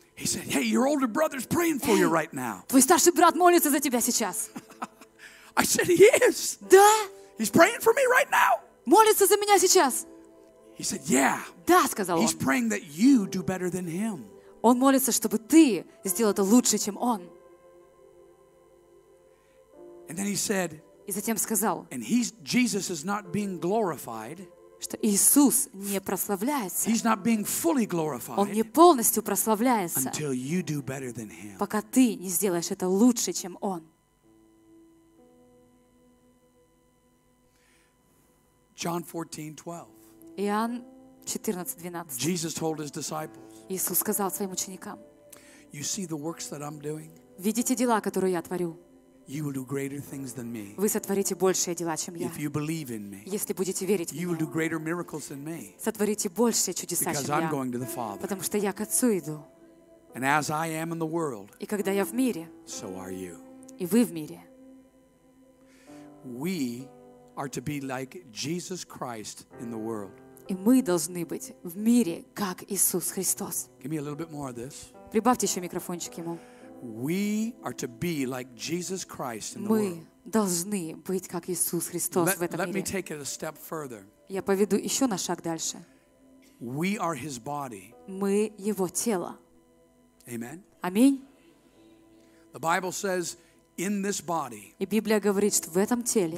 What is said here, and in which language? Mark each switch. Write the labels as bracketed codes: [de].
[en] He said, "Hey, your older brother's praying for you right now." [ru] Твой старший брат молится за тебя сейчас. [en] I said, "He is." [ru] Да. [en] He's praying for me right now. [ru] Молится за меня сейчас. [en] He said, "Yeah." [ru] Да, сказал он. [en] He's praying that you do better than him. [ru] Он молится, чтобы ты сделал это лучше, чем он. [en] And then he said. [ru] И затем сказал. [en] And he's Jesus is not being glorified. [ru] Что Иисус не прославляется. [en] He's not being fully glorified. [ru] Он не полностью прославляется. [en] Until you do better than him. [ru] Пока ты не сделаешь это лучше, чем он. [en] John 14:12. [ru] Иоанн 14:12. [en] Jesus told his disciples. [ru] Иисус сказал своим ученикам. [en] You see the works that I'm doing? [ru] Видите дела, которые я творю? [en] You will do greater things than me. [ru] Вы сотворите большие дела, чем я. [en] If you believe in me. [ru] Если будете верить в меня. [en] You will do greater miracles than me. [ru] Сотворите большие чудеса, [en] Because [ru] чем [en] I'm [ru] я. [en] Going to the Father. [ru] Потому что я к Отцу иду. [en] And as I am in the world. [ru] И когда я в мире. [en] So are you. [ru] И вы в мире. [en] We are to be like Jesus Christ in the world. [ru] И мы должны быть в мире, как Иисус Христос. [en] Give me a little bit more of this. [ru] Прибавьте еще микрофончик ему. [en] We are to be like Jesus Christ in the [ru] мы [en] world. [ru] Должны быть как Иисус Христос [en] let, [ru] в этом [en] let [ru] мире. [en] Me take it a step further. [ru] Я поведу еще на шаг дальше. [en] We are his body. [ru] Мы его тело. [en] Amen. [ru] Аминь. [en] The Bible says in this body. [ru] И Библия говорит, что в этом теле.